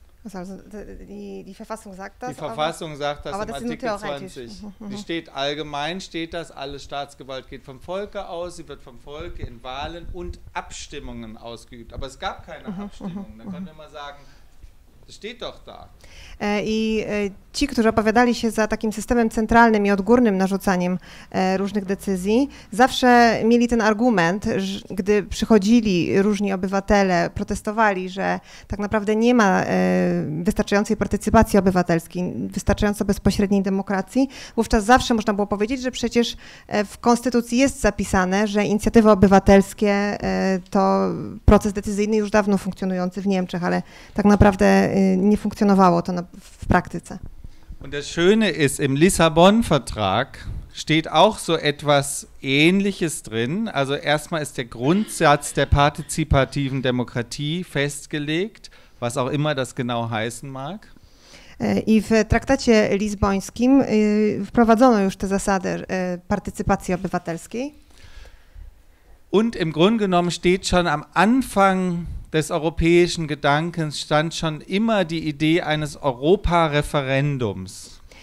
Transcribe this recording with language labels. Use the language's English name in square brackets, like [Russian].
[German] Also die Verfassung sagt das. Die Verfassung sagt das im Artikel 20. Die steht allgemein, steht das, alle Staatsgewalt geht vom Volke aus, sie wird vom Volke in Wahlen und Abstimmungen ausgeübt. Aber es gab keine Abstimmungen. Dann können wir mal sagen, Steht doch da. [Polish] I ci, którzy opowiadali się za takim systemem centralnym i odgórnym narzucaniem różnych decyzji, zawsze mieli ten argument, że gdy przychodzili różni obywatele, protestowali, że tak naprawdę nie ma wystarczającej partycypacji obywatelskiej, wystarczająco bezpośredniej demokracji, wówczas zawsze można było powiedzieć, że przecież w Konstytucji jest zapisane, że inicjatywy obywatelskie to proces decyzyjny już dawno funkcjonujący w Niemczech, ale tak naprawdę nie funkcjonowało to w praktyce. [German] Und das Schöne ist, im Lissabon-Vertrag steht auch so etwas Ähnliches drin. Also erstmal ist der Grundsatz der partizipativen Demokratie festgelegt, was auch immer das genau heißen mag. [Polish] I w traktacie lizbońskim wprowadzono już te zasady partycypacji obywatelskiej. [German] Und im Grunde genommen steht schon am Anfang des europäischen Gedankens stand schon immer die Idee eines Europareferendums.